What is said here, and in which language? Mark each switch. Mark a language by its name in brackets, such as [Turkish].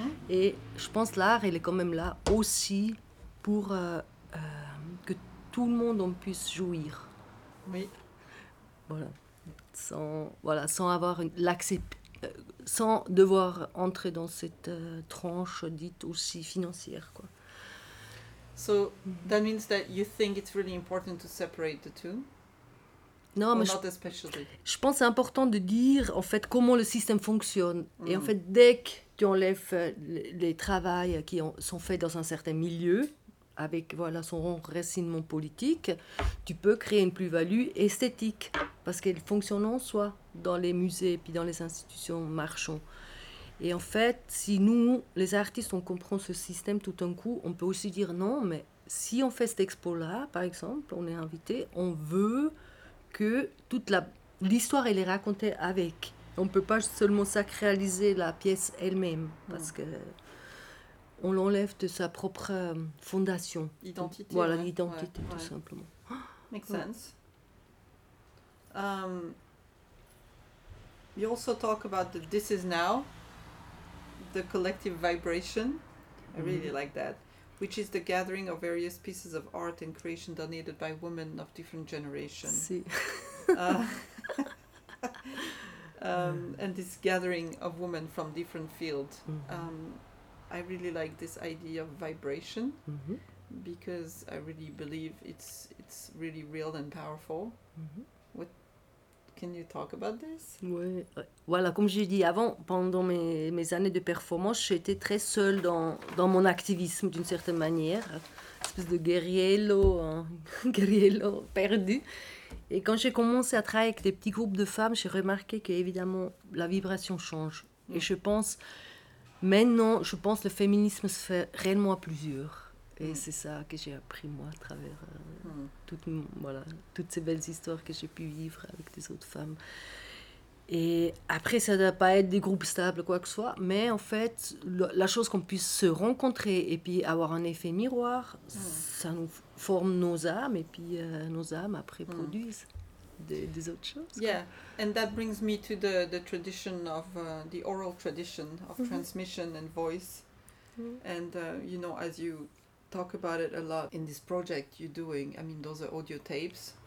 [French] Et je pense que l'art, elle est quand même là aussi pour que tout le monde en puisse jouir. Oui. Voilà. Sans avoir l'accepter. Sans devoir entrer dans cette tranche dite aussi financière, quoi. [English] So that means that you think it's really important to separate the two? [French] Non, mais [English] not especially. [French] Je pense que c'est important de dire en fait comment le système fonctionne. Et en fait, dès que tu enlèves les travaux qui sont faits dans un certain milieu, avec son enracinement politique, tu peux créer une plus-value esthétique, parce qu'elle fonctionne en soi, dans les musées et puis dans les institutions marchands. Et en fait, si nous, les artistes, on comprend ce système tout d'un coup, on peut aussi dire non, mais si on fait cette expo-là, par exemple, on est invité, on veut que toute l'histoire, elle est racontée avec. On ne peut pas seulement sacraliser la pièce elle-même, parce que on l'enlève de sa propre fondation. Identité. Tout simplement. [English] Makes sense. You also talk about the this is now, the collective vibration. I really like that. Which is the gathering of various pieces of art and creation donated by women of different generations. [French] Si. [English] And this gathering of women from different fields. I really like this idea of vibration because I really believe it's really real and powerful. Mm-hmm. What can you talk about this? [French] Oui. Voilà, comme j'ai dit avant, pendant mes années de performance, j'étais très seule dans mon activisme d'une certaine manière, une espèce de guerriello perdu. Et quand j'ai commencé à travailler avec des petits groupes de femmes, j'ai remarqué que évidemment la vibration change. Et je pense maintenant, je pense que le féminisme se fait réellement à plusieurs. Et c'est ça que j'ai appris, moi, à travers toutes ces belles histoires que j'ai pu vivre avec des autres femmes. Et après, ça ne doit pas être des groupes stables, quoi que ce soit. Mais en fait, la chose qu'on puisse se rencontrer et puis avoir un effet miroir, ça nous forme nos âmes. Et puis nos âmes, après, produisent des autres choses. [English] Yeah, and that brings me to the tradition of the oral tradition of transmission and voice. And, you know, as you talk about it a lot in this project you're doing, I mean, those are audio tapes.